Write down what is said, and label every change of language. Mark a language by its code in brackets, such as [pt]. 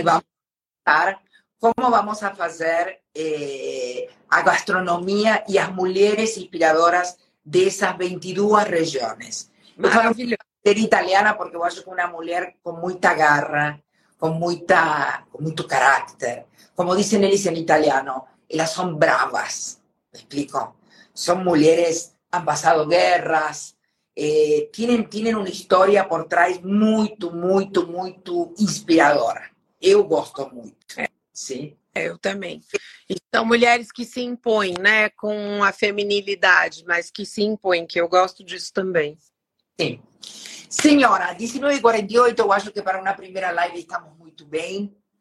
[pt] E vamos falar como vamos a fazer a gastronomia e as mulheres inspiradoras dessas 22 regiões. Maravilhoso. Eu falo italiana porque eu acho que uma mulher com muita garra, com muito caráter. Como dizem eles em italiano, elas são bravas. Me explico? São mulheres... Han pasado guerras, [es] tienen una historia por trás muy, muy, muy inspiradora. [pt] Eu gosto muito, sim. Eu também. São mulheres que se impõem, né, com a feminilidade, mas que se impõem, que eu gosto disso também. Sim. Senhora, 19h48, eu acho que para uma primeira live estamos muito bem.